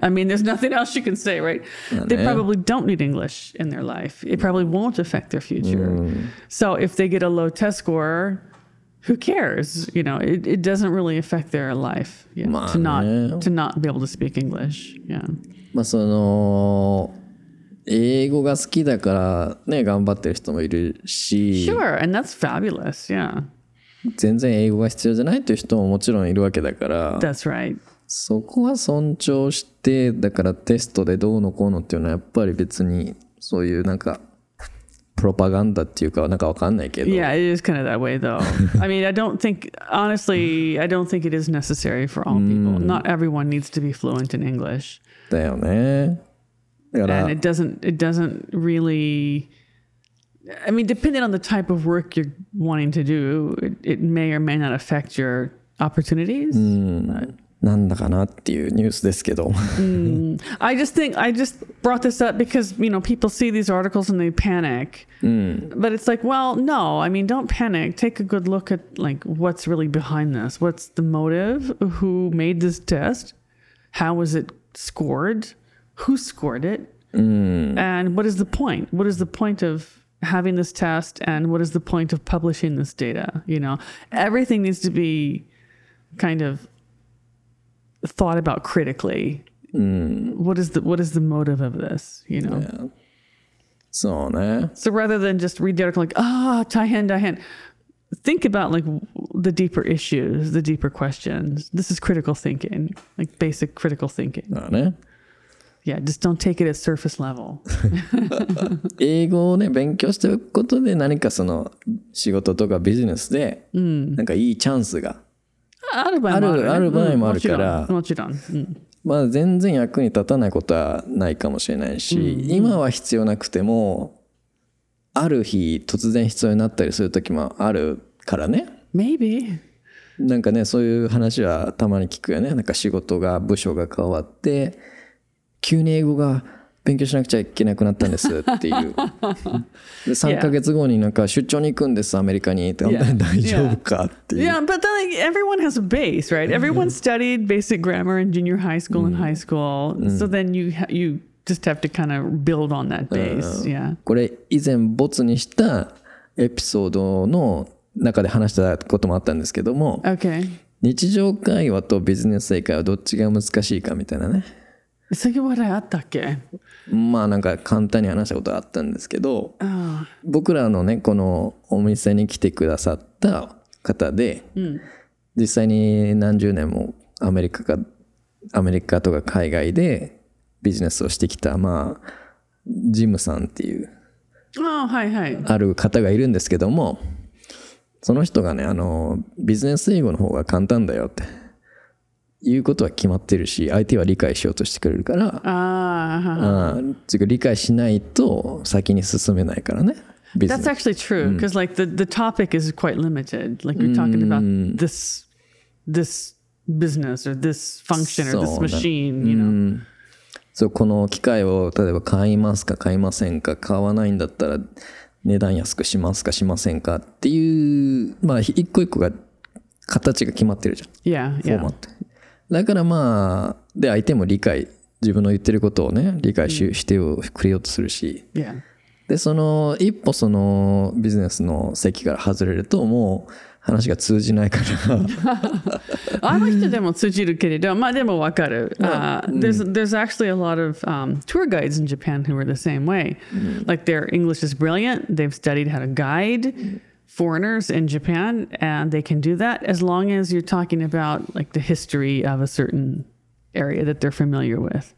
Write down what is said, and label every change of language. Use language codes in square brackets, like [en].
[en] I mean, there's nothing else you can say, right? They probably don't need English in their life. It probably won't affect their future. Mm. So if they get a low test score, who cares? You know, it doesn't really affect their life, you know, to not be able to speak English. Yeah. [ja] まあその英語が好きだからね、頑張ってる人もいるし。 [en] Sure, and that's fabulous. Yeah. [ja] 全然英語が必要じゃないという人ももちろんいるわけだから。 [en] That's right. [ja] そこは尊重して、だからテストでどうのこうのっていうのはやっぱり別にそういうなんか。 Propaganda っていうかなんかわかんないけど。 [en] Yeah, it is kind of that way though. I mean, I don't think, honestly, I don't think it is necessary for all people. Not everyone needs to be fluent in English. [ja] だよね。 [en] And it doesn't really, I mean, depending on the type of work you're wanting to do, it may or may not affect your opportunities. [ja] なんだかなっていうニュースですけど。 [en] I just brought this up because, you know, people see these articles and they panic. But it's like, well, no, I mean, don't panic. Take a good look at, like, what's really behind this. What's the motive? Who made this test? How was it scored? Who scored it? And what is the point? What is the point of having this test? And what is the point of publishing this data? You know, everything needs to be kind of... thought about critically. What is the motive of this, you know? So, yeah. So rather than just read the article like, Taihan, think about like the deeper issues, the deeper questions. This is critical thinking, like basic critical thinking. Yeah, just don't take it at surface level. [ja] 英語をね、勉強しておくことで何かその仕事とかビジネスでなんかいいチャンスがある場合もあるから、もちろん、まあ全然役に立たないことはないかもしれないし、今は必要なくてもある日突然必要になったりする時もあるからね。 [en] Maybe [ja] なんかね、そういう話はたまに聞くよね。なんか仕事が部署が変わって急に英語が勉強しなくちゃいけなくなったんですっていう。で、3ヶ月後になんか出張に行くんですアメリカに。大丈夫かっていう。 [en] Yeah, but then, like, everyone has a base, right? Everyone studied basic grammar in junior high school and high school. So then you just have to kind of build on that base. Yeah. [ja] これ以前ボツにしたエピソードの中で話したこともあったんですけども。 [en] Okay. [ja] 日常会話とビジネス英会話どっちが難しいかみたいなね。そういう話あったっけ？まあなんか簡単に話したことあったんですけど、 oh. 僕らのね、このお店に来てくださった方で、実際に何十年もアメリカとか海外でビジネスをしてきた、まあジムさんっていう、 oh, はいはい、ある方がいるんですけども、その人がね、あのビジネス英語の方が簡単だよって言うことは決まってるし、相手は理解しようとしてくれるから、理解しないと先に進めないからね。 [en] That's actually true, because like the topic is quite limited. Like we're talking about this business or this function or this machine, you know. [ja] そう、この機械を例えば買いますか買いませんか、買わないんだったら値段安くしますかしませんかっていう、まあ一個一個が形が決まってるじゃん。 [en] Yeah, yeah. [ja] だからまあ、で相手も理解、自分の言ってることをね、理解 してくれようとするし、でその一歩そのビジネスの席から外れるともう話が通じないからあの人でも通じるけれど、まあでもわかる。 [en] There's actually a lot of tour guides in Japan who are the same way. Like their English is brilliant, they've studied how to guide foreigners in Japan, and they can do that as long as you're talking about like the history of a certain area that they're familiar with.